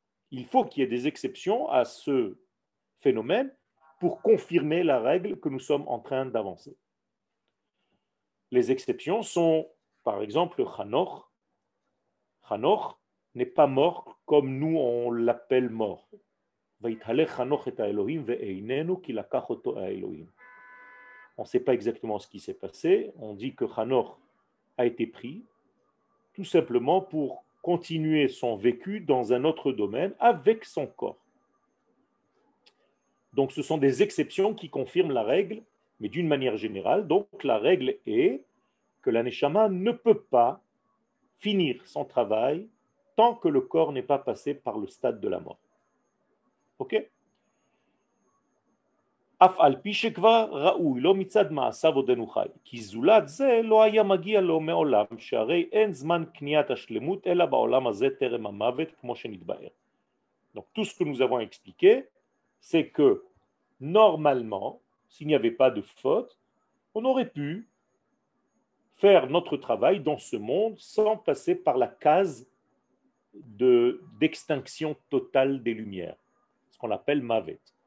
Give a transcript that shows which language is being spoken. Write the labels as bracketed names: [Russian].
[French] Il faut qu'il y ait des exceptions à ce phénomène pour confirmer la règle que nous sommes en train d'avancer. Les exceptions sont, par exemple, Hanoch. Hanoch n'est pas mort comme nous on l'appelle mort. [Hebrew] ויתהלך חנוך את האלוהים ואיננו כי לקח אותו האלוהים. [French] On ne sait pas exactement ce qui s'est passé. On dit que Hanoch a été pris tout simplement pour continuer son vécu dans un autre domaine avec son corps. Donc, ce sont des exceptions qui confirment la règle, mais d'une manière générale. Donc, la règle est que la Neshama ne peut pas finir son travail tant que le corps n'est pas passé par le stade de la mort. OK ? [Hebrew] אף על פי שכבר ראוי לא מצד מעשיו עודנו חי, כי זולת זה לא היה מגיע לו מעולם, שהרי אין זמן קניית השלמות, אלא בעולם הזה תרם המוות, כמו שנתבאר. [French] Donc tout ce que nous avons expliqué, c'est que normalement, s'il n'y avait pas de faute, on aurait pu faire notre travail dans ce monde sans passer par la case d'extinction totale des lumières, ce qu'on appelle mavet.